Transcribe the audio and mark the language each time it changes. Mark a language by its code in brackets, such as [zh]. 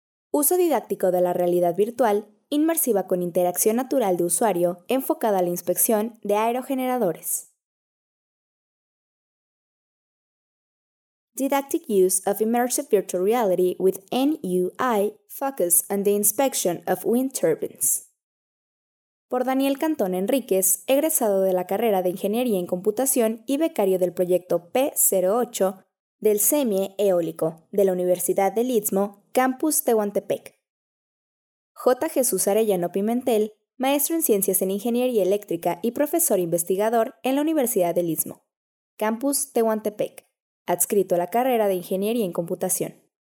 [es] Uso didáctico de la realidad virtual, inmersiva con interacción natural de usuario enfocada a la inspección de aerogeneradores. [en] Didactic use of immersive virtual reality with NUI focus on the inspection of wind turbines. [es] Por Daniel Cantón Enríquez, egresado de la carrera de Ingeniería en Computación y becario del proyecto P08 del CEMIE Eólico de la Universidad del Istmo, Campus Tehuantepec. J. Jesús Arellano Pimentel, maestro en Ciencias en Ingeniería Eléctrica y profesor investigador en la Universidad del Istmo, Campus Tehuantepec, adscrito a la carrera de Ingeniería en Computación.